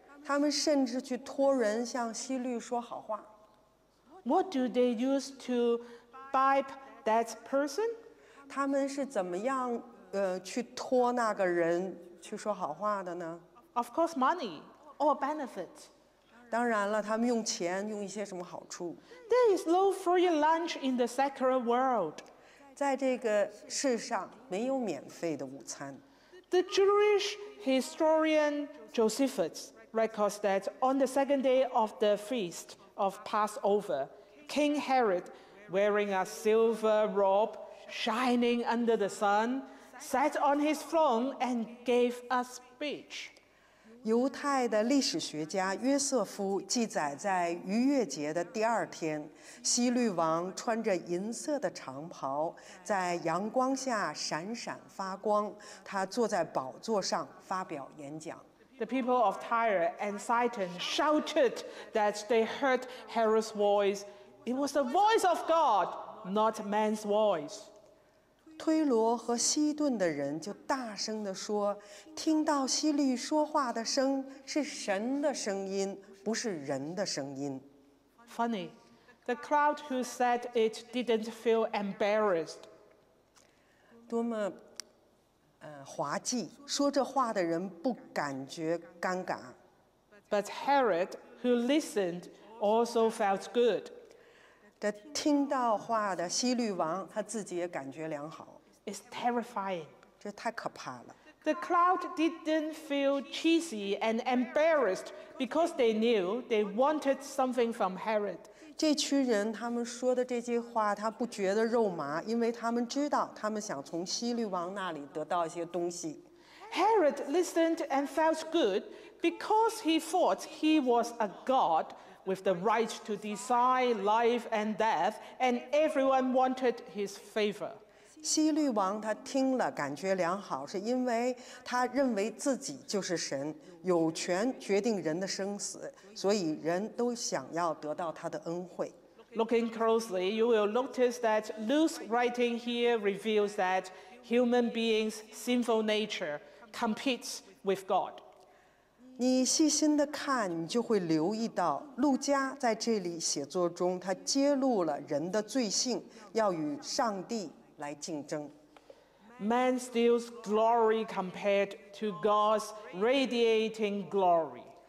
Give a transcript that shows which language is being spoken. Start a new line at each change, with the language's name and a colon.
Chinese: 他们甚至去托人向希律说好话。
English: What do they use to bribe that person?
Chinese: 他们是怎么样去托那个人去说好话的呢？
English: Of course, money or benefits.
Chinese: 当然了，他们用钱用一些什么好处
English: ？There is no free lunch in the secular world.
Chinese: 在这个世上没有免费的午餐。
English: The Jewish historian Josephus records that on the second day of the feast of Passover, King Herod, wearing a silver robe shining under the sun, sat on his throne and gave a speech.
Chinese: 犹太的历史学家约瑟夫记载，在逾越节的第二天，希律王穿着银色的长袍，在阳光下闪闪发光。他坐在宝座上发表演讲。
English: The people of Tyre and Sidon shouted that they heard Herod's voice. It was the voice of God, not man's voice.
Chinese: 推罗和西顿的人就大声地说，听到希律说话的声是神的声音，不是人的声音。
English: Funny, the crowd who said it didn't feel embarrassed.
Chinese: 多么滑稽，说这话的人不感觉尴尬。
English: But Herod, who listened, also felt good.
Chinese: 这听到话的希律王他自己也感觉良好。
English: It's terrifying.
Chinese: 这太可怕了。
English: The crowd didn't feel cheesy and embarrassed because they knew they wanted something from Herod.
Chinese: 这群人他们说的这句话，他不觉得肉麻，因为他们知道他们想从希律王那里得到一些东西。
English: Herod listened and felt good because he thought he was a god with the right to decide life and death, and everyone wanted his favor.
Chinese: 希律王他听了感觉良好，是因为他认为自己就是神，有权决定人的生死，所以人都想要得到他的恩惠。
English: Looking closely, you will notice that Luke's writing here reveals that human beings' sinful nature competes with God.
Chinese: 你细心的看，你就会留意到路加在这里写作中，他揭露了人的罪性，要与上帝。来竞争。
English: Man steals glory compared to God's radiating glory.